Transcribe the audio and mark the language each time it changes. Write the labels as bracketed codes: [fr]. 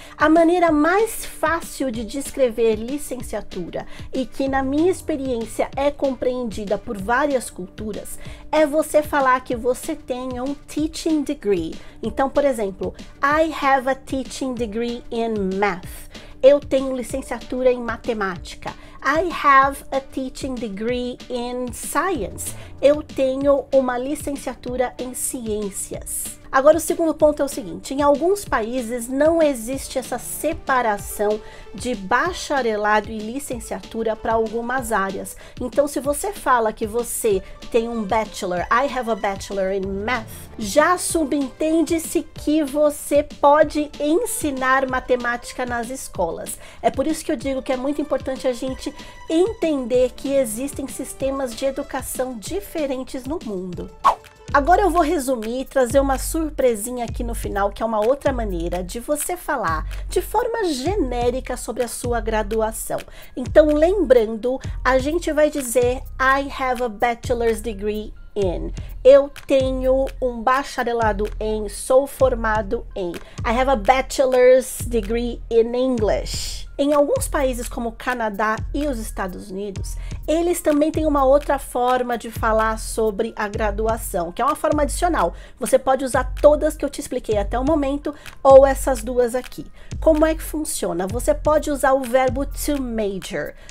[pt] A maneira mais fácil de descrever licenciatura, e que, na minha experiência, é compreendida por várias culturas, é você falar que você tem um teaching degree. Então, por exemplo, [en] I have a teaching degree in math. [pt] Eu tenho licenciatura em matemática. [en] I have a teaching degree in science. [pt] Eu tenho uma licenciatura em ciências. Agora, o segundo ponto é o seguinte: em alguns países não existe essa separação de bacharelado e licenciatura para algumas áreas. Então, se você fala que você tem um bachelor, [en] I have a bachelor in math, [pt] já subentende-se que você pode ensinar matemática nas escolas. É por isso que eu digo que é muito importante a gente entender que existem sistemas de educação diferentes no mundo. Agora eu vou resumir e trazer uma surpresinha aqui no final, que é uma outra maneira de você falar de forma genérica sobre a sua graduação. Então, lembrando, a gente vai dizer [en] I have a bachelor's degree in. [pt] Eu tenho um bacharelado em, sou formado em. [en] I have a bachelor's degree in English. [pt] Em alguns países como o Canadá e os Estados Unidos, eles também têm uma outra forma de falar sobre a graduação, que é uma forma adicional. Você pode usar todas que eu te expliquei até o momento ou essas duas aqui. Como é que funciona? Você pode usar o verbo to major.